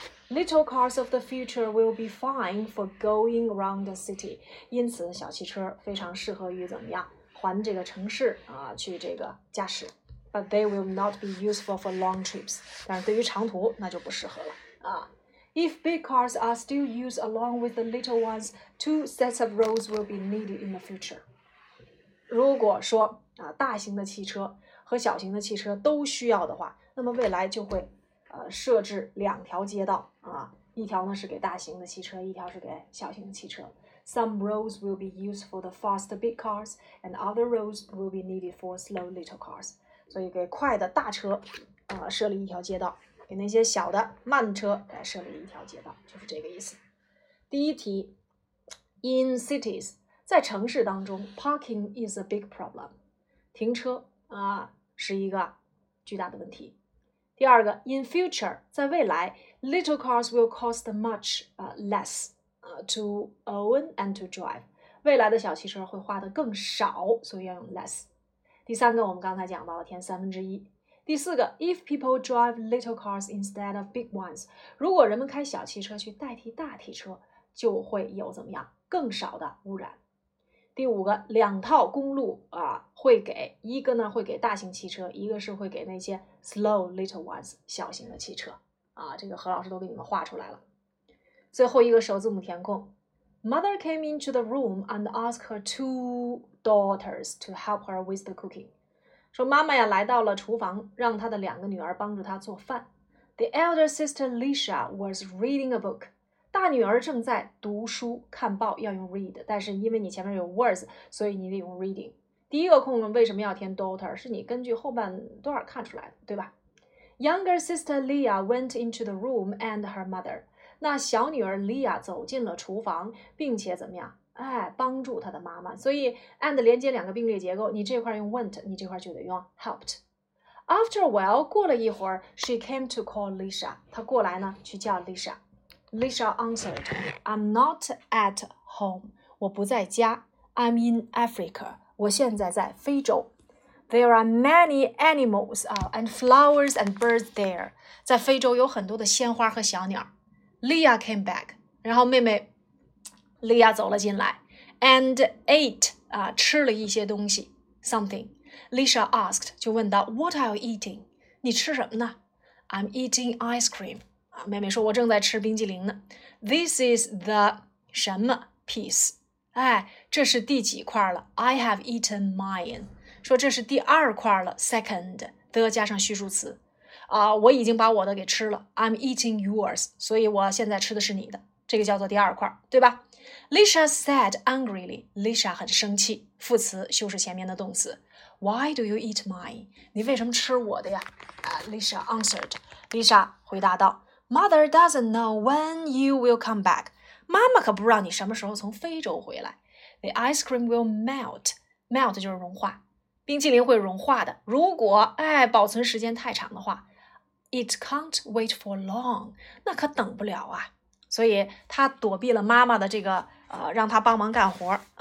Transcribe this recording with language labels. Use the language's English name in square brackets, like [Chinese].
[English] Little cars of the future will be fine for going around the city. [Chinese] 因此小汽车非常适合于怎么样环这个城市啊，去这个驾驶。 [English] But they will not be useful for long trips. [Chinese] 但是对于长途那就不适合了啊。 [English] If big cars are still used along with the little ones, two sets of roads will be needed in the future. [Chinese] 如果说啊，大型的汽车和小型的汽车都需要的话，那么未来就会设置两条街道啊，一条呢是给大型的汽车，一条是给小型的汽车。 [English] Some roads will be used for the fast big cars, and other roads will be needed for slow little cars. [Chinese] 所以给快的大车设立一条街道，给那些小的慢车给设立一条街道，就是这个意思。第一题 ， [English] In cities， [Chinese] 在城市当中 ， [English] parking is a big problem， [Chinese] 停车啊是一个巨大的问题。第二个 [English] ，in future， [Chinese] 在未来 [English] ，little cars will cost much less to own and to drive。 [Chinese] 未来的小汽车会花的更少，所以要用 less。第三个，我们刚才讲到了填三分之一。第四个 ， [English] if people drive little cars instead of big ones， [Chinese] 如果人们开小汽车去代替大汽车，就会有怎么样更少的污染。第五个，两套公路啊，会给一个呢，会给大型汽车，一个是会给那些 [English] slow little ones [Chinese] 小型的汽车啊。这个何老师都给你们画出来了。最后一个首字母填空 [English] ，Mother came into the room and asked her two daughters to help her with the cooking。 [Chinese] 说妈妈呀来到了厨房，让她的两个女儿帮助她做饭。 [English] The elder sister Lisa was reading a book。 [Chinese] 大女儿正在读书看报，要用 read， 但是因为你前面有 words， 所以你得用 reading。第一个空格为什么要填 daughter， 是你根据后半段看出来的，对吧？ [English] Younger sister Leah went into the room and her mother， [Chinese] 那小女儿 Leah 走进了厨房，并且怎么样，哎，帮助她的妈妈。所以 and 连接两个并列结构，你这块用 went， 你这块就得用 helped。 [English] After a while， [Chinese] 过了一会儿， [English] she came to call Lisa， [Chinese] 她过来呢去叫 [English] Lisa。 Lisa answered, I'm not at home. [Chinese] 我不在家。 [English] I'm in Africa. [Chinese] 我现在在非洲。 [English] There are many animals and flowers and birds there. [Chinese] 在非洲有很多的鲜花和小鸟。 [English] Leah came back. [Chinese] 然后妹妹 Leah 走了进来。 [English] And ate, [Chinese] 吃了一些东西。 [English] Something. Lisa asked, [Chinese] 就问到 [English] What are you eating? [Chinese] 你吃什么呢？ [English] I'm eating ice cream. [Chinese] 妹妹说我正在吃冰激凌呢。 [English] This is the [Chinese] 什么 piece， 哎，这是第几块了？ [English] I have eaten mine， [Chinese] 说这是第二块了， second， the 加上叙述词啊，我已经把我的给吃了， [English] I'm eating yours， [Chinese] 所以我现在吃的是你的，这个叫做第二块，对吧？ [English] Lisa said angrily， [Chinese] Lisa 很生气，副词修饰前面的动词。 [English] Why do you eat mine？ [Chinese] 你为什么吃我的呀？ [English] Lisa answered， [Chinese] Lisa 回答道， [English] Mother doesn't know when you will come back. [Chinese] 妈妈可不知道你什么时候从非洲回来。 [English] The ice cream will melt. Melt [Chinese] 就是融化。冰淇淋会融化的。如果哎保存时间太长的话。 [English] It can't wait for long. [Chinese] 那可等不了啊。所以他躲避了妈妈的这个让他帮忙干活。